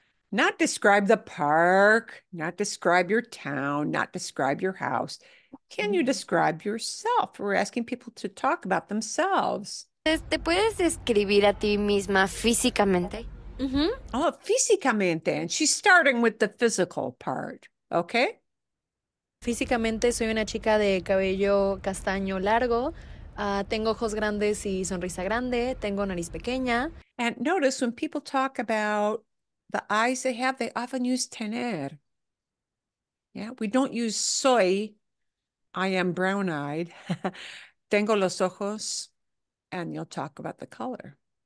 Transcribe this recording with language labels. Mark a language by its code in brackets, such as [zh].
[en] Not describe the park, not describe your town, not describe your house. Can you describe yourself? We're asking people to talk about themselves. [es] ¿Te puedes describir a ti misma físicamente? Mm-hmm. Oh, físicamente. [en] And she's starting with the physical part, okay? [es] Físicamente soy una chica de cabello castaño largo. Tengo ojos grandes y sonrisa grande. Tengo nariz pequeña. [en] And notice when people talk about the eyes they have, they often use tener. Yeah, we don't use soy. I am brown-eyed. [es] Tengo los ojos. [en] And you'll talk about the color.